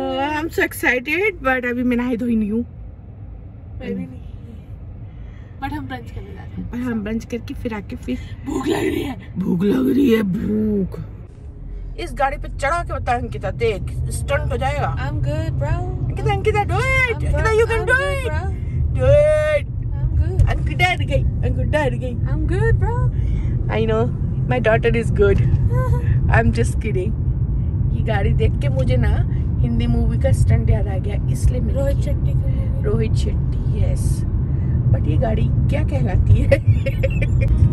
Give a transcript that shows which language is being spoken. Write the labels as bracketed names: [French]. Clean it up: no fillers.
[English] I am so excited [Hindi] but अभी मैं नहा धोई नहीं हूँ. बट हम ब्रंच करके फिर आके फिर भूख लग रही है. भूख लग रही है. भूख इस गाड़ी पे चढ़ा के बता अंकिता. देख स्टंट हो जाएगा. [English] I'm good, bro. Ankita Ankita do it. Ankita you can do it. I'm good. [Hindi] Ankita डर गई. अंकिता डर गई. [English] I'm good, bro. I know my daughter is good. I'm just kidding. [Hindi] ये गाड़ी देख के मुझे ना हिंदी मूवी का स्टंट याद आ गया. इसलिए मिल रोहित शेट्टी का. रोहित शेट्टी यस. बट ये गाड़ी क्या कहलाती है.